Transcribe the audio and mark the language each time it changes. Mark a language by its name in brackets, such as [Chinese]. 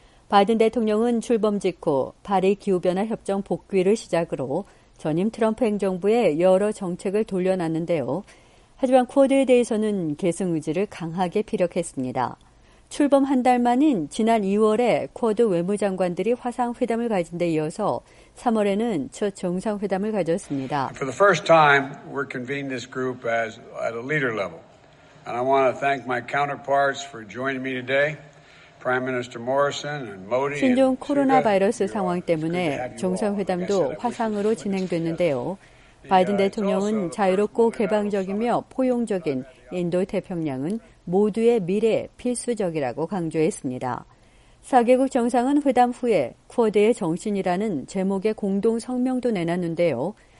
[Korean] 바이든 대통령은 출범 직후 파리 기후변화 협정 복귀를 시작으로 전임 트럼프 행정부의 여러 정책을 돌려놨는데요. 하지만 쿼드에 대해서는 계승 의지를 강하게 피력했습니다. 출범 한 달 만인 지난 2월에 쿼드 외무장관들이 화상회담을 가진 데 이어서 3월에는 첫 정상회담을 가졌습니다. [English] For the first time, we're convened this group as at a leader level. And I want to thank my counterparts for joining me today. Prime Minister Morrison and Modi. [Korean] 신종 코로나 바이러스 상황 때문에 정상회담도 화상으로 진행됐는데요. 바이든 대통령은 자유롭고 개방적이며 포용적인 인도태평양은 모두의 미래에 필수적이라고 강조했습니다. 4개국 정상은 회담 후에 쿼드의 정신이라는 제목의 공동 성명도 내놨는데요.